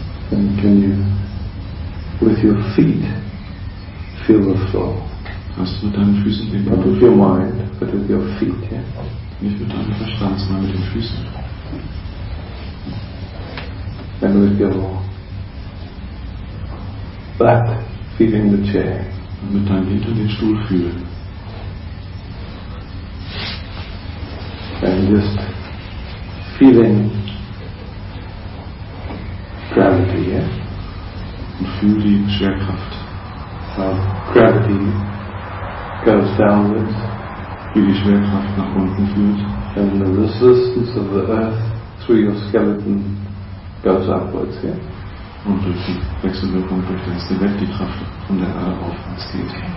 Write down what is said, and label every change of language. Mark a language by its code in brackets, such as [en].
[en] And can you, with your feet, feel the floor? [de] Hast du mit deinen Füßen den [en] Boden? Not with your mind, but with your feet, yeah? [de] Nicht mit deinem Verstand, sondern mit den Füßen. [en] And with your back, feeling the chair. [de] Und mit deinem Hintern den Stuhl fühlen. [en] And just feeling gravity, yeah? [de] Und fühl die Schwerkraft. [en] How gravity goes downwards. [de] Wie die Schwerkraft nach unten führt. [en] And the resistance of the earth through your skeleton goes upwards, yeah? [de] Und durch die Wechselwirkung durch das Gewebe die Kraft von der Erde auf uns geht.